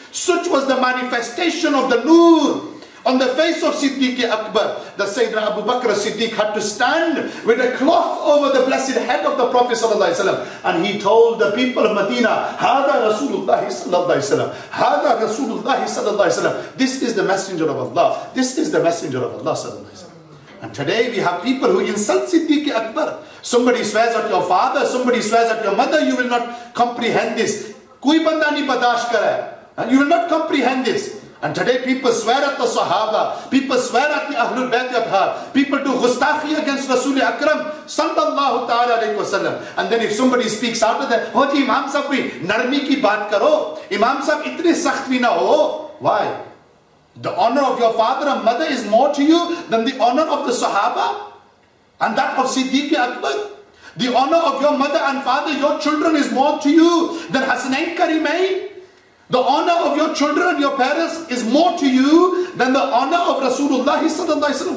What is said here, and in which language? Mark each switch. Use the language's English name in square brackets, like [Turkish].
[English] Such was the manifestation of the Noor on the face of Siddiqui Akbar, that Sayyidina Abu Bakr as-Siddiq had to stand with a cloth over the blessed head of the Prophet sallallahu alaihi wasallam, and he told the people of Medina, [Arabic] "Hada Rasulullah sallallahu alaihi wasallam, [English] Hada Rasulullah sallallahu alaihi wasallam." This is the Messenger of Allah. This is the Messenger of Allah sallallahu alaihi wasallam. And today we have people who insult Siddiqui Akbar. Somebody swears at your father, somebody swears at your mother, you will not comprehend this. [Urdu] کوئی بندہ نہیں برداشت کرے۔ [English] You will not comprehend this. And today people swear at the Sahaba, people swear at the Ahlul Bayt Yathar, people do ghustakhi against Rasul Akram sallallahu ta'ala alayhi wa sallam. And then if somebody speaks out of that, [Urdu] او جی امام صاحب کوئی نرمی کی بات کرو، امام صاحب اتنے سخت بھی نہ ہو۔ [English] Why? The honor of your father and mother is more to you than the honor of the Sahaba and that of Siddiqui Akbar. The honor of your mother and father, your children, is more to you than Hasanain Karimain. The honor of your children, your parents, is more to you than the honor of Rasulullah sallallahu alaihi wasallam.